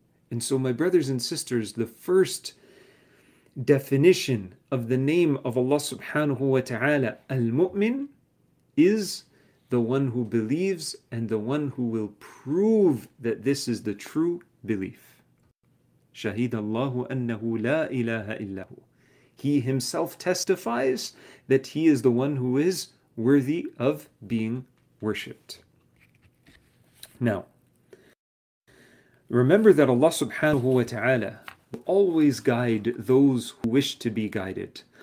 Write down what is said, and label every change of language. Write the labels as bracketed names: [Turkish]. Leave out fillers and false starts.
[English] And so, my brothers and sisters, the first definition of the name of Allah subhanahu wa ta'ala, al-mu'min, is the one who believes and the one who will prove that this is the true belief. [Arabic] شهيد الله أنه لا إله إلا هو. [English] He himself testifies that he is the one who is worthy of being worshipped. Now, remember that Allah subhanahu wa ta'ala will always guide those who wish to be guided.